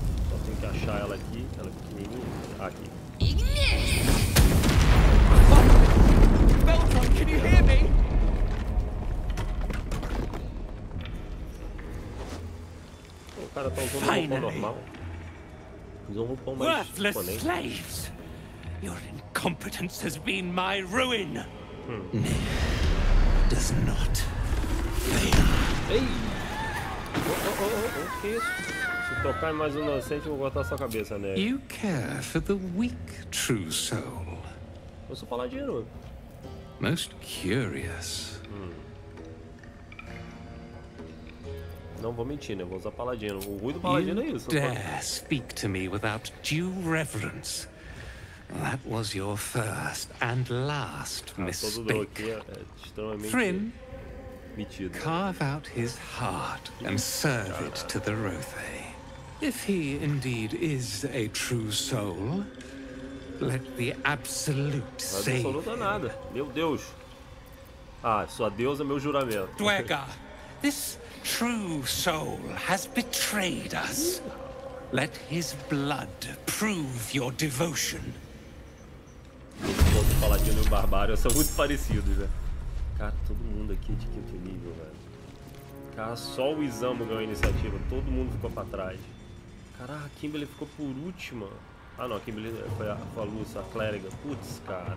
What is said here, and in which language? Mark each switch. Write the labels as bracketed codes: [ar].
[pt] Só tem que achar ela aqui, ela é pequenininha. Aqui. [en] Beltron, can you hear me? [pt] O cara tá usando um roupão normal. Usou um roupão mais imponente. [en] Slaves! Your incompetence has been my ruin! Does not fail. [pt] Ei! O que é isso? Se tocar em mais um inocente, vou cortar sua cabeça nele. [en] You care for the weak, true soul. [pt] Eu sou paladino. [en] Most curious. [pt] Não vou mentir, né? Vou usar paladino. O ruim do paladino [en] you [pt] é isso. [en] Dare speak to me without due reverence. That was your first and last mistake. Thrym, carve out his heart and serve it to the Rothay. If he indeed is a true soul, let the absolute save him. [pt] Absoluta nada. Meu Deus. Ah, sua deusa é meu juramento. [en] Dwegar, this true soul has betrayed us. Let his blood prove your devotion. [pt] O paladino e o barbário são muito parecidos, né? Cara, todo mundo aqui é de quinto nível, velho. Cara, só o Isamu ganhou a iniciativa. Todo mundo ficou pra trás. Caraca, a Kimberly ficou por última. Ah, não. A Kimberly foi a Lúcia, a clériga. Putz, cara.